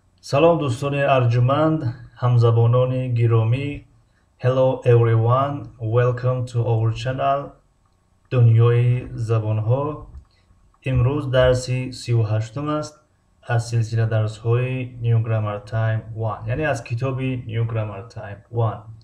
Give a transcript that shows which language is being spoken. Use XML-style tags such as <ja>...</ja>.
<tg>Салом дӯстони арҷуманд, ҳамзабонони гиромӣ.</tg> <en>Hello everyone, welcome to our channel Дунёи забонҳо.</en> <tg>Имрӯз дарси 38-ум аст аз силсила дарсҳои New Grammar Time 1, яъне аз китоби New Grammar Time 1.</tg>